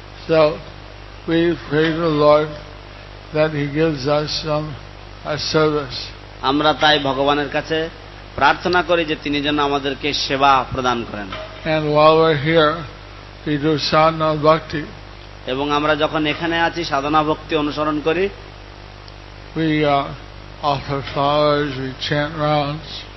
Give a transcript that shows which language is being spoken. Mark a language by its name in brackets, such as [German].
[English] So we pray to the Lord that he gives us some service. [Bangla] আমরা তাই ভগবানের কাছে প্রার্থনা করি যে তিনি যেন আমাদেরকে সেবা প্রদান করেন। [English] And while we're here, we do sadhana bhakti. [Bangla] এবং আমরা যখন এখানে আছি সাধনা ভক্তি অনুসরণ করি। [English] We offer flowers, we chant rounds.